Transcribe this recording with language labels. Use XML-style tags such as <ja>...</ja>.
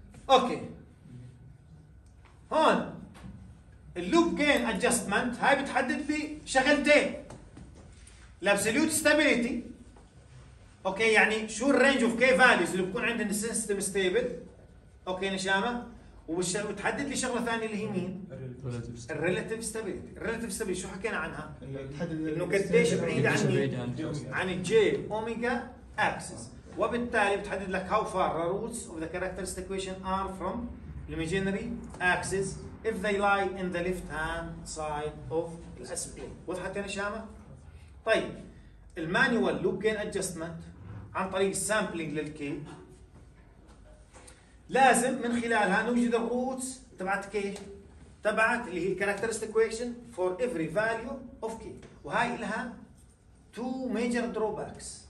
<ar>اوكي هون اللوب جين ادجستمنت هاي بتحدد لي شغلتين، الابسوليوت ستابيليتي اوكي يعني شو الرينج اوف كي فاليوز اللي بكون عند السيستم ستيبل اوكي نشامه، وبتحدد لي شغله ثانيه اللي هي مين الريليتيف ستابيليتي. الريليتيف ستابيليتي شو حكينا عنها؟ انه قديش بعيد عن الجي اوميجا اكسس، وبالتالي بتحدد لك</ar> <en>how far the roots of the characteristic equation are from the imaginary axis if they lie in the left hand side of the S plane.</en> <ar>وضحت يا نشامة؟ طيب المانوال</ar> <en>loop gain adjustment</en> <ar>عن طريق sampling للكي لازم من خلالها نوجد ال roots تبعت كي تبعت اللي هي</ar> <en>characteristic equation for every value of</en> <ar>كي، وهاي لها</ar> <en>two major drawbacks.</en>